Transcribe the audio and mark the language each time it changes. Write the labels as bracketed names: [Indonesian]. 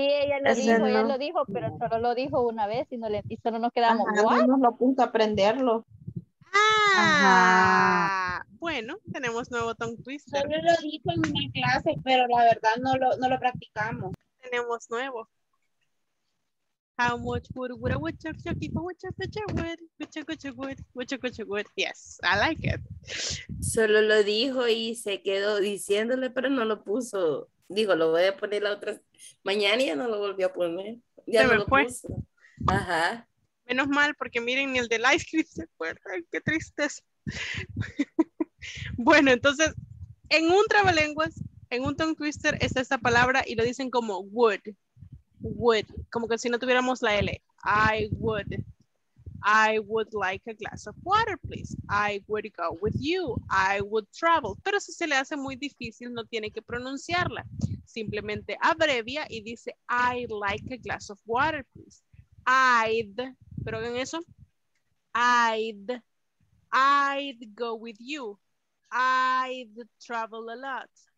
[Spanish] ella lo dijo, pero solo lo dijo una vez y solo nos quedamos. Nos lo apunta a aprenderlo. Ah, bueno, tenemos nuevo tongue twister. Solo lo dijo en una clase, pero la verdad no lo practicamos. Tenemos nuevo. [English] How much wood would a woodchuck chuck if a woodchuck chuck wood? Woodchuck chuck wood, woodchuck chuck wood. Yes, I like it. [Spanish] Solo lo dijo y se quedó diciéndole, pero no lo puso. Digo, lo voy a poner la otra. Mañana ya no lo volvió a poner. Ya no lo puso. Ajá. Menos mal, porque miren, ni el de Life Kit se acuerda. Qué tristeza. Bueno, entonces, en un trabalenguas, en un tongue twister, está esta palabra y lo dicen como wood. Would, como que si no tuviéramos la L. [English] I would like a glass of water, please. I would go with you. I would travel. [Spanish] Pero si se le hace muy difícil, no tiene que pronunciarla. Simplemente abrevia y dice, [English] I like a glass of water, please. I'd, [Spanish] pero oigan eso. [English] I'd go with you. I'd travel a lot.